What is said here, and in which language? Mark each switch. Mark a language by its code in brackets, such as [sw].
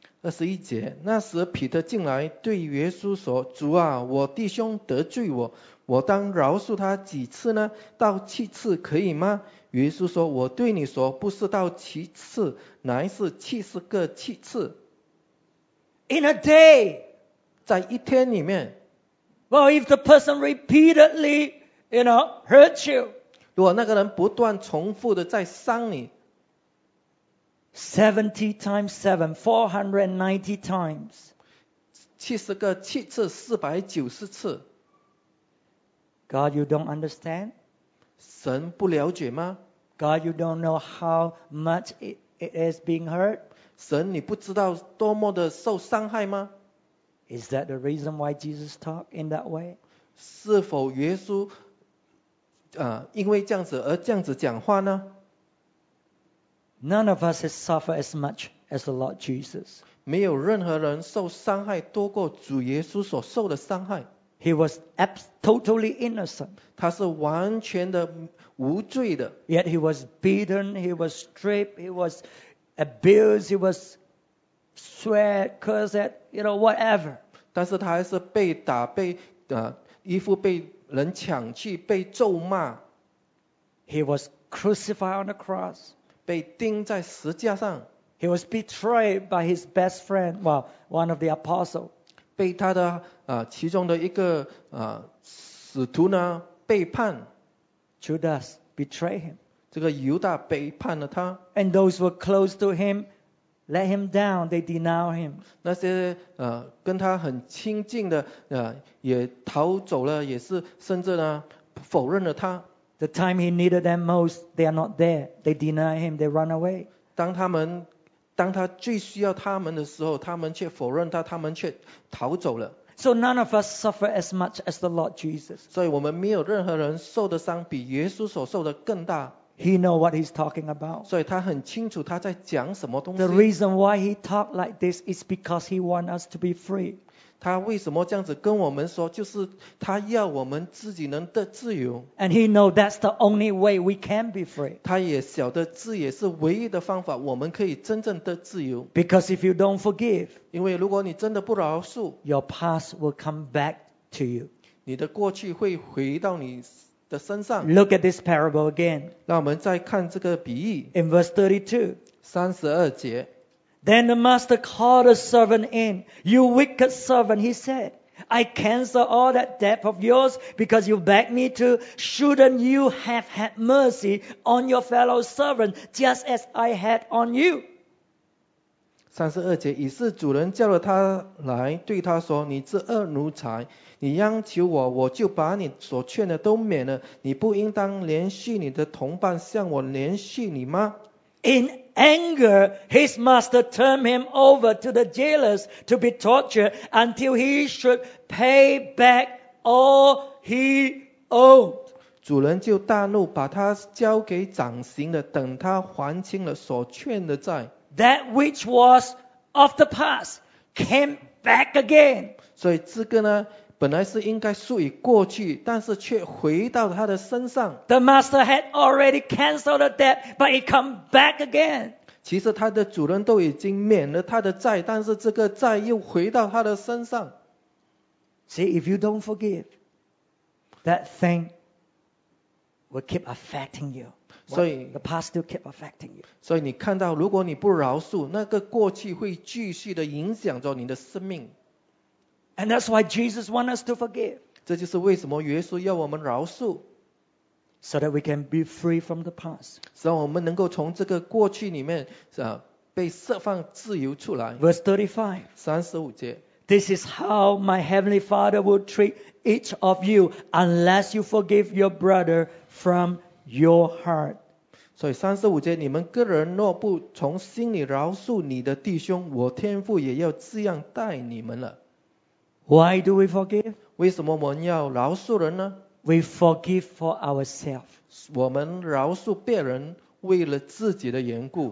[zh] 二十一节，那时彼得进来对耶稣说，主啊，我弟兄得罪我，我当饶恕他几次呢？到七次可以吗？耶稣说，我对你说，不是到七次，乃是七十个七次。 [en] In a day, [zh] 在一天里面。 [en] Well, if the person repeatedly, you know, hurts you, [zh] 如果那个人不断重复的在伤你， [en] 70 times 7, 490 times, [zh] 70个七次，490次。 [en] God, you don't understand? [zh] 神不了解吗？ [en] God, you don't know how much it is being hurt? [zh] 神你不知道多么的受伤害吗？ [en] Is that the reason why Jesus talked in that way? [zh] 是否耶稣因为这样子而这样子讲话呢？ [en] None of us has suffered as much as the Lord Jesus. [zh] 没有任何人受伤害多过主耶稣所受的伤害。 [en] He was totally innocent. [zh] 他是完全的无罪的。 [en] Yet he was beaten, he was stripped, he was abused, he was swear, curse at, you know, whatever. [zh] 但是他还是被打，被衣服被人抢去，被咒骂。 [en] He was crucified on the cross. [zh] 被钉在十字架上。 [en] He was betrayed by his best friend, well, one of the apostles. [zh] 被他的其中的一个使徒呢背叛。 [en] Judas betrayed him. [zh] 这个犹大背叛了他。 [en] And those were close to him. Let him down, they deny him. [zh] 那些跟他很亲近的也逃走了，也是甚至呢否认了他。 [en] The time he needed them most, they are not there. They deny him, they run away. [zh] 当他最需要他们的时候，他们却否认他，他们却逃走了。 [en] So none of us suffer as much as the Lord Jesus. [zh] 所以我们没有任何人受的伤比耶稣所受的更大。 [en] He knows what he's talking about. [zh] 所以他很清楚他在讲什么东西。 [en] The reason why he talked like this is because he wants us to be free. [zh] 他为什么这样子跟我们说，就是他要我们自己能得自由。 [en] And he knows that's the only way we can be free. [zh] 他也晓得这也是唯一的方法，我们可以真正得自由。 [en] Because if you don't forgive, [zh] 因为如果你真的不饶恕， [en] your past will come back to you. [zh] 你的过去会回到你的身上。 [en] Look at this parable again. [zh] 让我们再看这个比喻。 [en] In verse 32. [zh] 32节。 [en] Then the master called a servant in. You wicked servant, he said. I cancel all that debt of yours because you begged me to. Shouldn't you have had mercy on your fellow servant just as I had on you? [zh] 32节，以是主人叫了他来，对他说：“你这恶奴才，你央求我，我就把你所欠的都免了。你不应当连续你的同伴向我连续你吗？” [en] In anger, his master turned him over to the jailers to be tortured until he should pay back all he owed. [zh] 主人就大怒，把他交给掌刑的，等他还清了所欠的债。 [en] That which was of the past came back again. [zh] 所以这个呢，本来是应该属于过去，但是却回到他的身上。 [en] The master had already cancelled the debt, but it came back again. [zh] 其实他的主人都已经免了他的债，但是这个债又回到他的身上。 [en] See, if you don't forgive, that thing will keep affecting you. The past still keep affecting you. [zh] 所以你看到，如果你不饶恕，那个过去会继续的影响着你的生命。 [en] And that's why Jesus wants us to forgive. [zh] 这就是为什么耶稣要我们饶恕。 [en] So that we can be free from the past. [zh] 使我们能够从这个过去里面被释放自由出来。 [en] Verse 35. [zh] 35节。 [en] This is how my heavenly Father will treat each of you unless you forgive your brother from your heart. [zh] 所以35节，你们个人若不从心里饶恕你的弟兄，我天父也要这样待你们了。 [en] Why do we forgive? [zh] 为什么我们要饶恕人呢？ [en] We forgive for ourselves. [zh] 我们饶恕别人为了自己的缘故。